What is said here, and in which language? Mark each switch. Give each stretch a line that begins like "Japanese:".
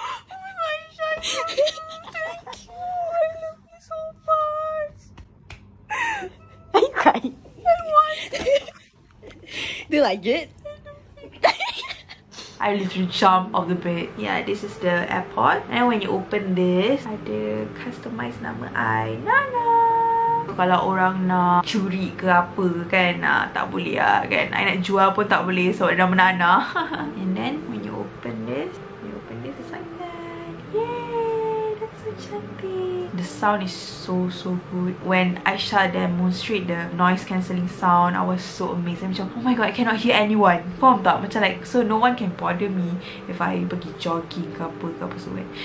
English: Thank you. I love you so much. Are you crying? feel like it. I literally jump off the bed. Yeah, this is the airport. And when you open this,
Malay: ada
English: customized
Malay: nama
English: I, Nana.
Malay: Kalau orang nak curi ke apa kan, tak boleh lah kan. I nak jual pun tak boleh sebab nama Nana.
English: And then when you open this, you open this, it's like that. Yay, that's so
Malay: cantik.
English: The sound is so, so good. When Aisha demonstrate the noise cancelling sound, I was so amazed. I'm like, oh my god, I cannot hear anyone.
Malay: Faham tak? Macam
English: like, so no one can bother me if I
Malay: pergi
English: jogging
Malay: ke apa semua.